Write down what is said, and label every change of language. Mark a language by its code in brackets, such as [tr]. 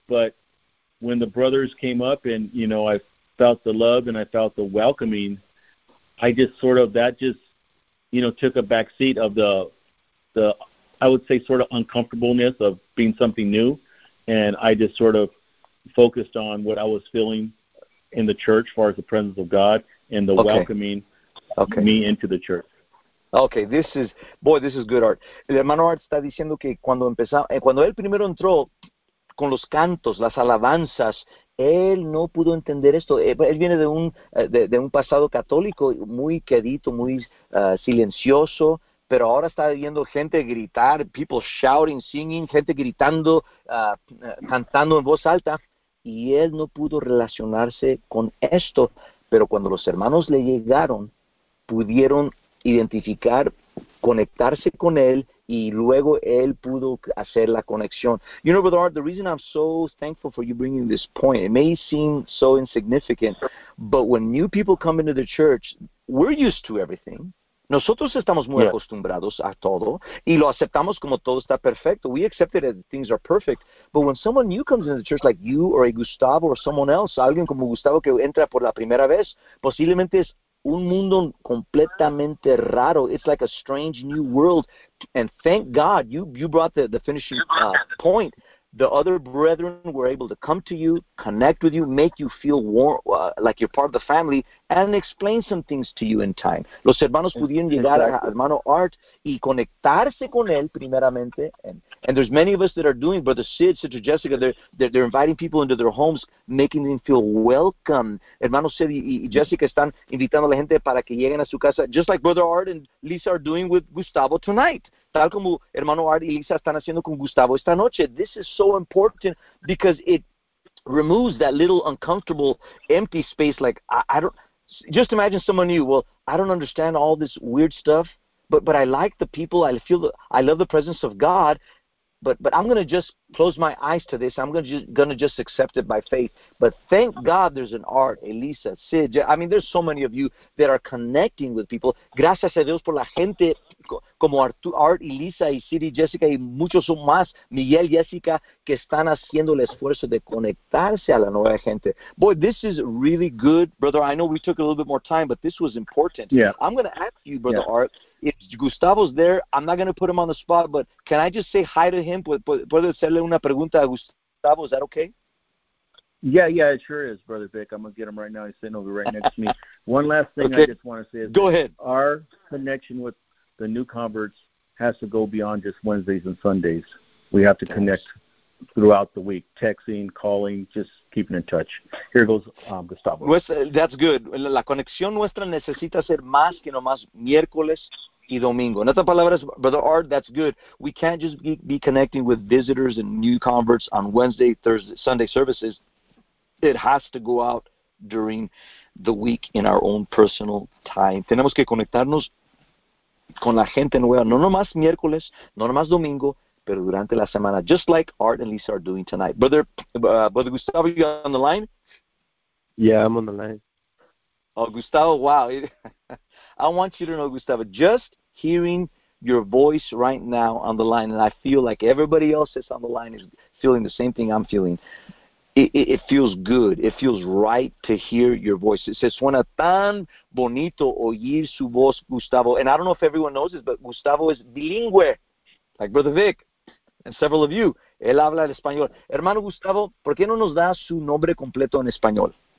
[en] But when the brothers came up and, you know, I felt the love and I felt the welcoming, I just sort of, that just, you know, took a back seat of the I would say, sort of uncomfortableness of being something new. And I just sort of focused on what I was feeling in the church as far as the presence of God and the welcoming me into the church. Okay, this is good, Art. [es] El hermano Art está diciendo que cuando él primero entró con los cantos, las alabanzas, él no pudo entender esto. Él viene de un pasado católico muy quedito, muy silencioso, pero ahora está viendo gente gritar, [en] people shouting, singing, [es] gente gritando, cantando en voz alta, y él no pudo relacionarse con esto. Pero cuando los hermanos le llegaron, pudieron identificar, conectarse con él, y luego él pudo hacer la conexión. [en] You know, Brother Art, the reason I'm so thankful for you bringing this point, it may seem so insignificant, but when new people come into the church, we're used to everything. [es] Nosotros estamos muy acostumbrados a todo, y lo aceptamos como todo está perfecto. [en] We accept it that things are perfect. But when someone new comes into the church, like you or a Gustavo or someone else, [es] alguien como Gustavo que entra por la primera vez, posiblemente es un mundo completamente raro. [en] It's like a strange new world. And thank God, you brought the finishing point. The other brethren were able to come to you, connect with you, make you feel warm, like you're part of the family, and explain some things to you in time. [es] Los hermanos pudieron llegar a hermano Art y conectarse con él primeramente. [en] And there's many of us that are doing, Brother Sid, Sister Jessica, they're inviting people into their homes, making them feel welcome. [es] Hermano Sid y Jessica están invitando a la gente para que lleguen a su casa, [en] just like Brother Art and Lisa are doing with Gustavo tonight. [es] Tal como hermano Art y Lisa están haciendo con Gustavo esta noche. [en] This is so important because it removes that little uncomfortable empty space. Like, I don't, just imagine someone new. Well, I don't understand all this weird stuff, but I like the people. I feel I love the presence of God, but I'm going to just close my eyes to this. I'm going to just accept it by faith. But thank God there's an Art, Elisa, Sid. I mean, there's so many of you that are connecting with people. [es] Gracias a Dios por la gente como Art, Elisa, y Sid, y Jessica, y muchos más, Miguel, Jessica, que están haciendo el esfuerzo de conectarse a la nueva gente. [en] Boy, this is really good, Brother. I know we took a little bit more time, but this was important. Yeah. I'm going to ask you, Brother Art, if Gustavo's there, I'm not going to put him on the spot, but can I just say hi to him? [es] Brother, hacerle una pregunta a Gustavo, [en] is that okay? Yeah, it sure is, Brother Vic. I'm going to get him right now. He's sitting over right next to me. One last thing I just want to say is go ahead. Our connection with the new converts has to go beyond just Wednesdays and Sundays. We have to connect throughout the week, texting, calling, just keeping in touch. Here goes Gustavo. Pues, that's good. [es] La conexión nuestra necesita ser más que nomás miércoles y domingo. En otras palabras, Brother Art, [en] that's good. We can't just be connecting with visitors and new converts on Wednesday, Thursday, Sunday services. It has to go out during the week in our own personal time. [es] Tenemos que conectarnos con la gente nueva, no nomás miércoles, no nomás domingo, pero durante la semana, [en] just like Art and Lisa are doing tonight. Brother Gustavo, you on the line? Yeah, I'm on the line. Oh, Gustavo, wow. I want you to know, Gustavo, just hearing your voice right now on the line, and I feel like everybody else that's on the line is feeling the same thing I'm feeling. It feels good. It feels right to hear your voice. It says, [es] suena tan bonito oír su voz, Gustavo. [en] And I don't know if everyone knows this, but Gustavo is bilingüe, like Brother Vic and several of you. [es] Él habla el español. Hermano Gustavo, ¿por qué no nos da su nombre completo en español?